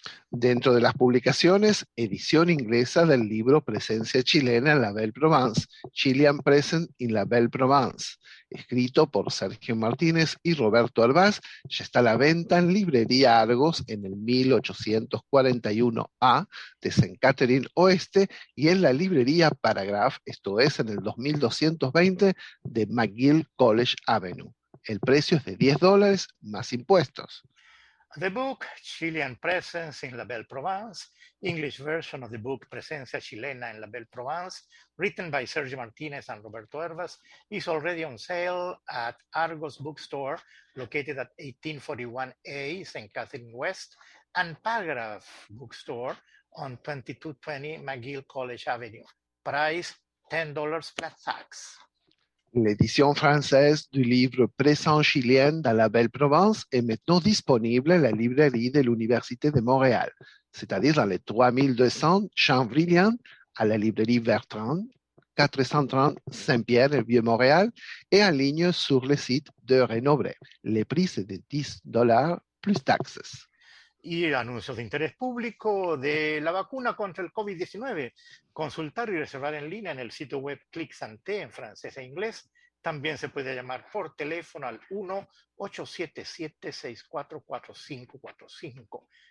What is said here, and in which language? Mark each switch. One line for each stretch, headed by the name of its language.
Spanish: Dentro de las publicaciones, edición inglesa del libro Presencia chilena en la Belle Provence, Chilean Present in la Belle Provence, escrito por Sergio Martínez y Roberto Arbaz, ya está a la venta en librería Argos en el 1841A de Saint-Catherine Oeste y en la librería Paragraph, esto es en el 2220 de McGill College Avenue. El precio es de $10 más impuestos.
English: The book Chilean Presence in la Belle Provence, English version of the book Presencia Chilena en la Belle Provence, written by Sergio Martinez and Roberto Hervas, is already on sale at Argos Bookstore, located at 1841A St. Catherine West, and Paragraph Bookstore on 2220 McGill College Avenue. Price $10 flat tax.
French: L'édition française du livre Présence chilienne dans la Belle Provence est maintenant disponible à la librairie de l'Université de Montréal, c'est-à-dire dans les 3200 Champs-Brillant, à la librairie Bertrand, 430 Saint-Pierre-et-Vieux-Montréal, et en ligne sur le site de Renobré. Le prix est de $10 plus taxes.
Spanish: Y el anuncio de interés público de la vacuna contra el COVID-19. Consultar y reservar en línea en el sitio web Clic Santé en francés e inglés. También se puede llamar por teléfono al 1-877-644-5545.